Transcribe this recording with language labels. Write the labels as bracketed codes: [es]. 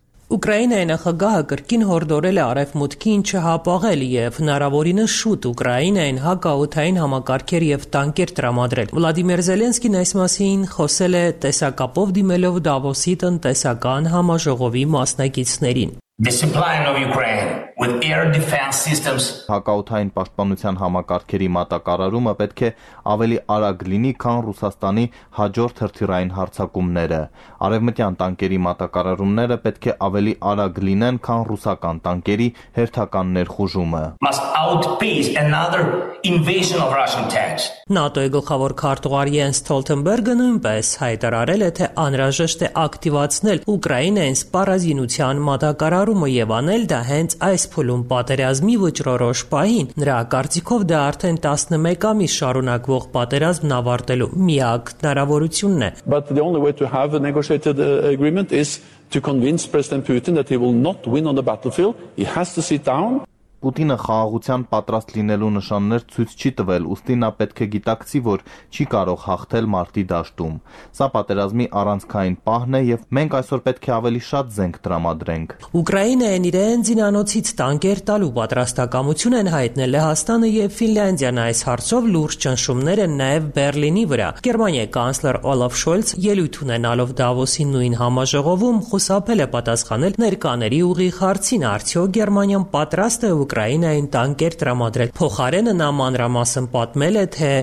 [hy] Ուկրաինայի նախագահը կրկին հորդորել է արևմուտքին չհապաղել և հնարավորինս շուտ Ուկրաինային հակաօդային համակարգեր և տանկեր տրամադրել։ Վլադիմիր Զելենսկին այս մասին խոսել է տեսակապով դիմելով Դավոսի տնտեսական համաժողովի մասնակիցներին։ [en] Discipline of Ukraine with air defense systems. [hy] Հակաօդային պաշտպանության համակարգերի մատակարարումը պետք է ավելի արագ լինի, քան Ռուսաստանի հաջորդ հրթիռային հարձակումները։ Արևմտյան տանկերի մատակարարումները պետք է ավելի արագ լինեն, քան ռուսական տանկերի հերթական ներխուժումը։ [en] Must outpace another invasion of Russian tanks. [hy] ՆԱՏՕ-ի գլխավոր քարտուղար Յենս Ստոլտենբերգը նույնպես հայտարարել է, թե անհրաժեշտ է ակտիվացնել Ուկրաինայի սպառազինության մատակարարումը և անել դա հենց այս փուլում պատերազմի վճռորոշ պահին, նրա կարծիքով դա արդեն 11 ամիս շարունակվող պատերազմն ավարտելու միակ հնարավորությունն է։ [en] But the only way to have a negotiated agreement is to convince President Putin that he will not win on the battlefield. He has to sit down. [hy] Պուտինը խաղաղության պատրաստ լինելու նշաններ ցույց չի տվել, ուստի նա պետք է գիտակցի, որ չի կարող հաղթել մարտի դաշտում։ Սա պատերազմի առանցքային պահն է, և մենք այսօր պետք է ավելի շատ զենք տրամադրենք։ Ուկրաինան իրեն զինանոցից տանկեր տալու պատրաստակամություն են հայտնել Հայաստանը և Ֆինլանդիան, այս հարցով լուրջ ճնշումներ են նաև Բեռլինի վրա։ Գերմանիայի կանսլեր Օլաֆ Շոլց ելույթ ունենալով Դավոսի նույն համաժողովում խուսափել է պատասխանել ներկաների ուղի հարցին, արդյոք Գերմանիան պատրաստ է Ուկրաինային տանկեր տրամադրել։ Փոխարենը նա մանրամասն պատմել է, թե